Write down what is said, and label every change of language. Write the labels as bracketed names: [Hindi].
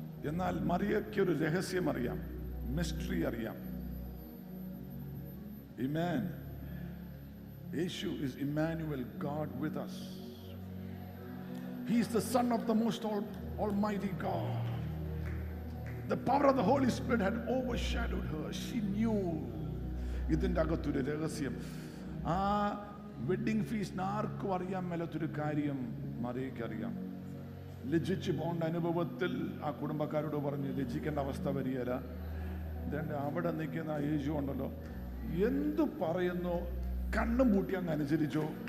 [Malayalam] എന്നാൽ മറിയക്കൊരു രഹസ്യം അറിയാം, മിസ്റ്ററി അറിയാം. [English] ഇമാൻ, യേശു is Immanuel, God with us. He is the son of the most almighty God. The power of the Holy Spirit had overshadowed her. She knew. [Malayalam] ഇതിന്റെ അകത്തൊരു രഹസ്യം. ആ wedding fees ആർക്കും അറിയാൻ മേലത്തൊരു കാര്യം മറിയക്കറിയാം. ലജ്ജിച്ചു പോകേണ്ട അനുഭവത്തിൽ ആ കുടുംബക്കാരോട് പറഞ്ഞു, ലജ്ജിക്കേണ്ട അവസ്ഥ വരികയല്ല, അവിടെ നിൽക്കുന്ന യേശു ഉണ്ടല്ലോ, എന്തു പറയുന്നു, കണ്ണും പൂട്ടി അങ്ങ് അനുസരിച്ചോ.